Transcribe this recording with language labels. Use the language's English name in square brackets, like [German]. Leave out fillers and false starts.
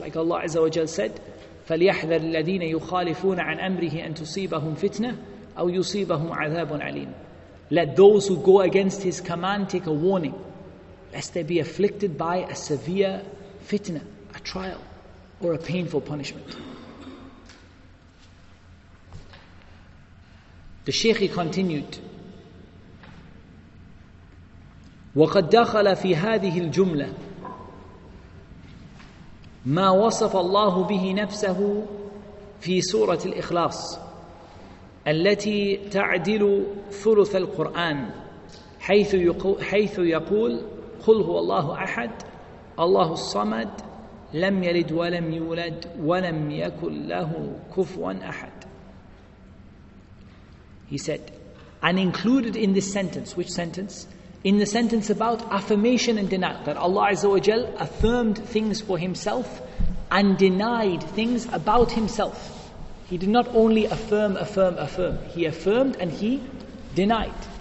[English] Like Allah Azza wa Jalla said, [Arabic] فَلْيَحْذَرِ الَّذِينَ يُخَالِفُونَ عَنْ أَمْرِهِ أَنْ تُصِيبَهُمْ فِتْنَةً أَوْ يُصِيبَهُمْ عَذَابٌ عَلِيمٌ. [English] Let those who go against his command take a warning, lest they be afflicted by a severe fitna, a trial, or a painful punishment. The Shaykh continued, [Arabic] وَقَدْ دَخَلَ فِي هَذِهِ الْجُمْلَةِ مَا وَصَفَ اللَّهُ بِهِ نَفْسَهُ فِي سُورَةِ الْإِخْلَاصِ الَّتِي تَعْدِلُ ثُلُثَ الْقُرْآنِ حَيْثُ يَقُولُ قل هو الله أحد الله الصمد لم يلد ولم يولد ولم يكن له كفوا أحد. [English] He said, and included in this sentence, which sentence? In the sentence about affirmation and denial, that Allah Azza wa Jal affirmed things for himself and denied things about himself. He did not only affirm, he affirmed and he denied.